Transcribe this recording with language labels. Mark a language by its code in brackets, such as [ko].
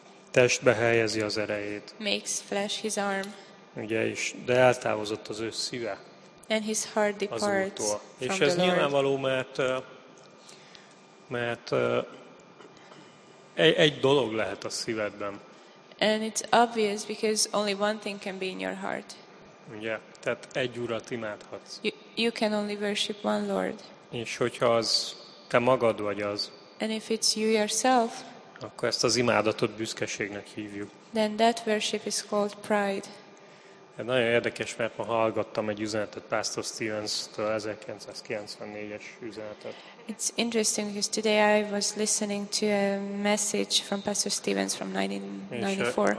[hu] Testbe helyezi az erejét. [en] Makes flesh his arm. [hu] Ugye is, de eltávozott az ő szíve. [en] And his heart departs from the Lord. [hu] És ez nyilvánvaló, mert egy dolog lehet a szívedben. [en] And it's obvious because only one thing can be in your heart. [hu] Ugye, tehát egy urat imádhatsz. [en] You can only worship one Lord. [hu] És hogyha az te magad vagy az. [en] And if it's you yourself. [hu] Akkor ezt az imádatot büszkeségnek hívjuk. [en] Then that worship is called pride. [hu] Ez nagyon érdekes, mert ma hallgattam egy üzenetet Pastor Stevens-től, 1994-es üzenetet. [en] It's interesting because today I was listening to a message from Pastor Stevens from 1994.